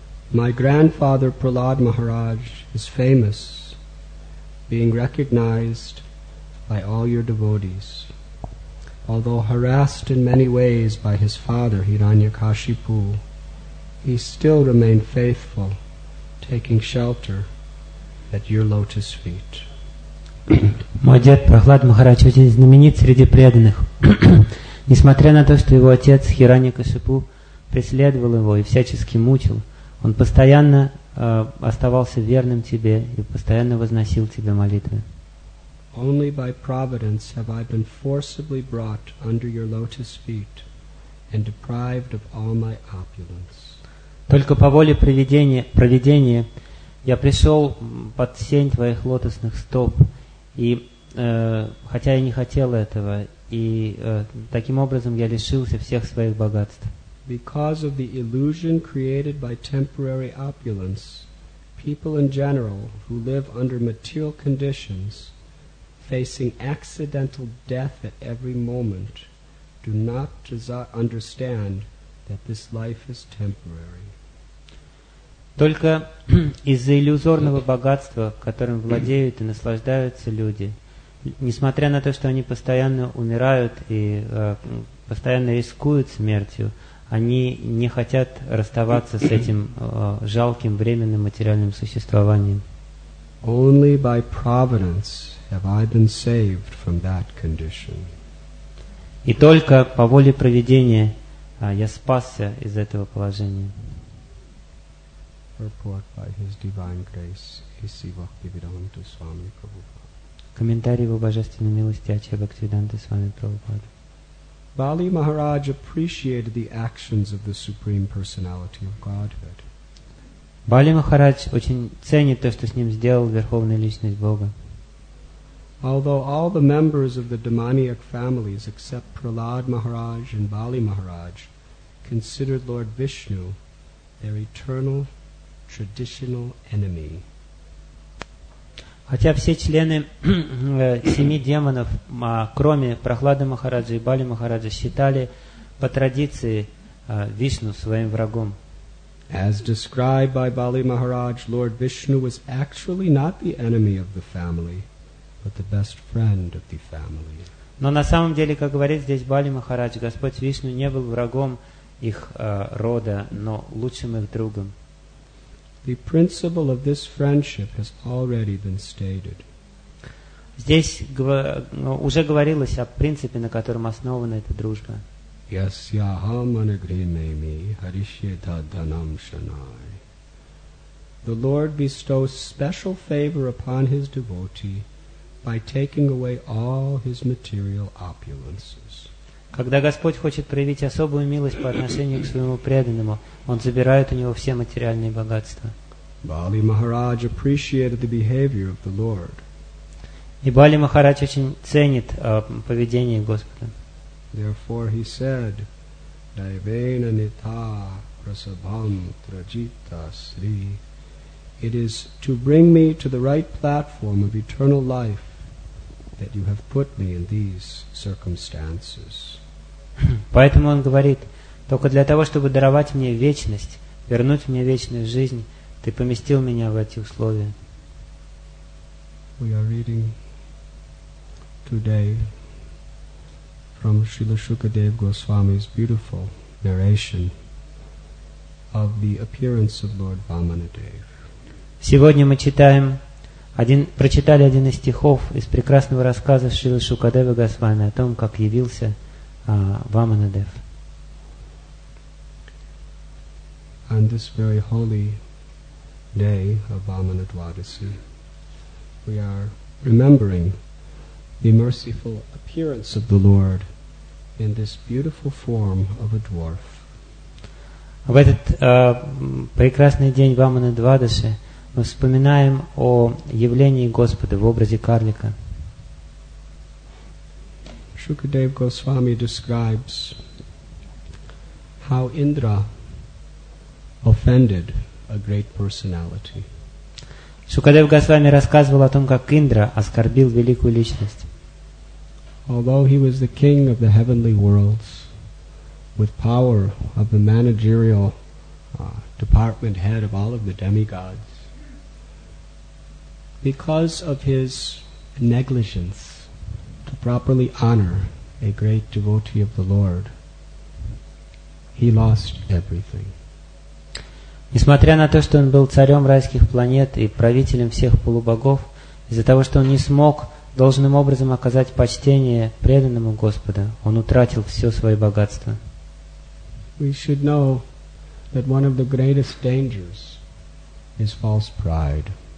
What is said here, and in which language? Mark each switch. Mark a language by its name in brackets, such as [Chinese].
[English] My grandfather Prahlad Maharaj is famous, being recognized by all your devotees. Although harassed in many ways by his father, Hiranyakashipu, he still remained faithful, taking shelter at your lotus feet. [Russian] Мой дед Прахлад Махарадж очень знаменит среди преданных. Несмотря на то, что его отец Хираньякашипу преследовал его и всячески мучил, он постоянно оставался верным тебе и постоянно возносил тебе молитвы. [English] Only by providence have I been forcibly brought under your lotus feet and deprived of all my opulence. [Russian] Только по воле провидения я пришел под сень твоих лотосных стоп, и хотя я не хотел этого, и таким образом я лишился всех своих богатств. [English] Because of the illusion created by temporary opulence, people in general who live under material conditions, facing accidental death at every moment, do not understand that this life is temporary. [Russian] Только из-за иллюзорного богатства, которым владеют и наслаждаются люди, несмотря на то, что они постоянно умирают и постоянно рискуют смертью, они не хотят расставаться с этим жалким временным материальным существованием. [English] Only by providence have I been saved from that condition. [Russian] И только по воле провидения я спасся из этого положения. [English] Report by His Divine Grace, Issi Bhaktivedanta Swami Prabhupada. [Russian] Комментарий его божественной милости Ачья Бхактивиданта Свами Прабхупада. [English] Бали Махарадж appreciated the actions of the Supreme Personality of Godhead. [Russian] Бали Махарадж очень ценит то, что с ним сделал Верховная Личность Бога. [English] Although all the members of the demoniac families except Prahlad Maharaj and Bali Maharaj considered Lord Vishnu their eternal traditional enemy. [Russian] Хотя все члены семи демонов, кроме Прахлады Махараджи и Бали Махараджи, считали по традиции Вишну своим врагом. [English] As described by Bali Maharaj, Lord Vishnu was actually not the enemy of the family, but the best friend of the family. [Russian] Но на самом деле, как говорит здесь Бали Махарадж, Господь Вишну не был врагом их рода, но лучшим их другом. [English] The principle of this friendship has already been stated. [Russian] Здесь уже говорилось о принципе, на котором основана эта дружба. [Sanskrit] Yasya aham anagrihimemi harishyeta dhanam shanai. [English] The Lord bestows special favor upon his devotee by taking away all his material opulences. [Russian] Когда Господь хочет проявить особую милость по отношению к своему преданному, он забирает у него все материальные богатства. [English] Бали Махарадж appreciated the behavior of the Lord. [Russian] И Бали Махарадж очень ценит поведение Господа. [English] Therefore he said, [Sanskrit] Daivena nita prasabham trajita sri. [English] It is to bring me to the right platform of eternal life that you have put me in these circumstances. [Russian] Поэтому он говорит, только для того, чтобы даровать мне вечность, вернуть мне вечную жизнь, ты поместил меня в эти условия. [English] We are reading today from Srila Shukadev Goswami's beautiful narration of the appearance of Lord Vamanadev. [Russian] Сегодня мы читаем прочитали один из стихов из прекрасного рассказа Шрилы Шукадевы Госвами о том, как явился Ваманадев. [English] On this very holy day of Vamanadvadasi, we are remembering the merciful appearance of the Lord in this beautiful form of a dwarf. [Russian] В этот прекрасный день Ваманадвадасы мы вспоминаем о явлении Господа в образе карлика. [English] Shukadev Goswami describes how Indra offended a great personality. [Russian] Shukadev Goswami рассказывал о том, как Индра оскорбил великую личность. [English] Although he was the king of the heavenly worlds with power of the managerial department head of all of the demigods, because of his negligence to properly honor a great devotee of the Lord, he lost everything. [Russian] Несмотря на то, что он был царем райских планет и правителем всех полубогов, из-за того, что он не смог должным образом оказать почтение преданному Господу, он утратил все свое богатство. [English] We should know that one of the greatest dangers is false pride.